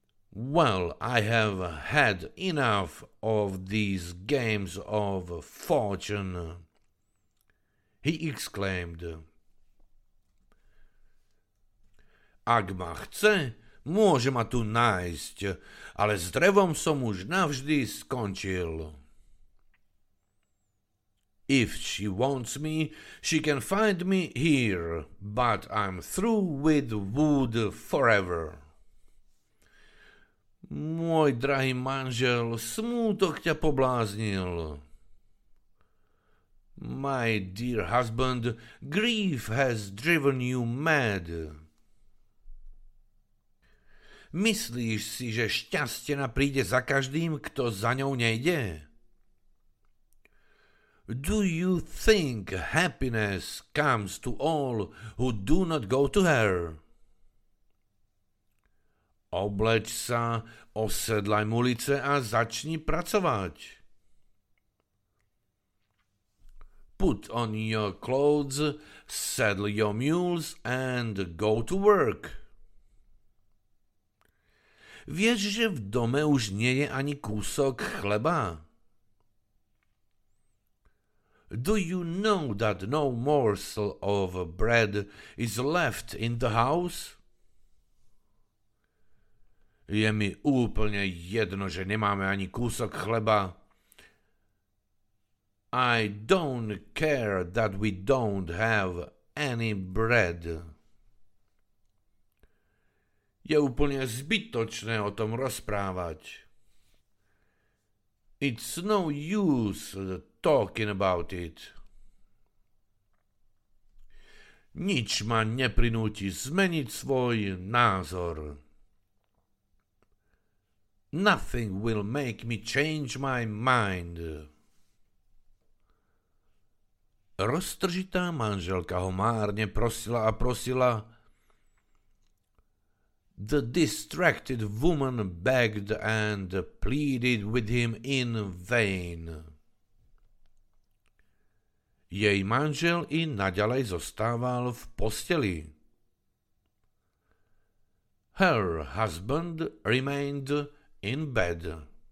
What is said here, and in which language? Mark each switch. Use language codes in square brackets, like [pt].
[en] Well, I have had enough of these games of fortune, he exclaimed. [sk] Ak ma chce, môže ma tu nájsť, ale s drevom som už navždy skončil. [en] If she wants me, she can find me here, but I'm through with wood forever. [sk] Môj drahý manžel, smútok ťa pobláznil. [en] My dear husband, grief has driven you mad. [sk] Myslíš si, že šťastie príde za každým, kto za ňou nejde? [en] Do you think happiness comes to all who do not go to her? [sk] Obleč sa, osedlaj mulice a začni pracovať. [en] Put on your clothes, saddle your mules and go to work. [sk] Vieš, že v dome už nie je ani kúsok chleba? [en] Do you know that no morsel of bread is left in the house? [sk] Je mi úplne jedno, že nemáme ani kúsok chleba. [en] I don't care that we don't have any bread. [sk] Je úplne zbytočné o tom rozprávať. [en] It's no use talking about it. [sk] Nič ma neprinúti zmeniť svoj názor. [en] Nothing will make me change my mind. [sk] Roztržitá manželka ho márne prosila a prosila. [en] The distracted woman begged and pleaded with him in vain. [sk] Jej manžel i naďalej zostával v posteli. [en] Her husband remained in bed.